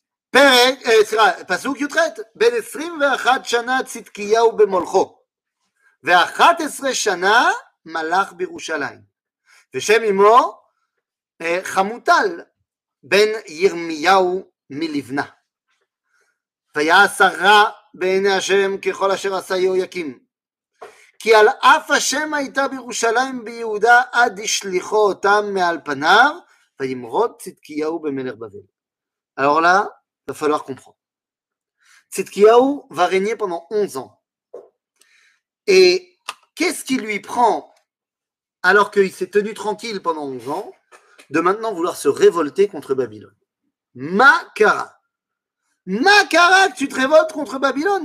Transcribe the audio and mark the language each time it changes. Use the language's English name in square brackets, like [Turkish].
[Hebrew] Perek, pasuk yutret, ben 21 shana tzidkiyahu bemolcho, ve'achat esre shana malach birushalayim, v'shem imo chamutal ben yirmiyahu milivna, ve'yasara בעיני השם ככל אשר עשה יהויקים. כי על אף השם הייתה בירושלים ביהודה עד ישליחו אותם מעל פניו, וימרוד צדקיהו במלך בבל. [French] Alors là, il va falloir comprendre. צדקיהו va régner pendant 11 ans. Et qu'est-ce qui lui prend, alors qu'il s'est tenu tranquille pendant 11 ans, de maintenant vouloir se révolter contre Babylone? Makara. Makara, tu te révoltes contre Babylone?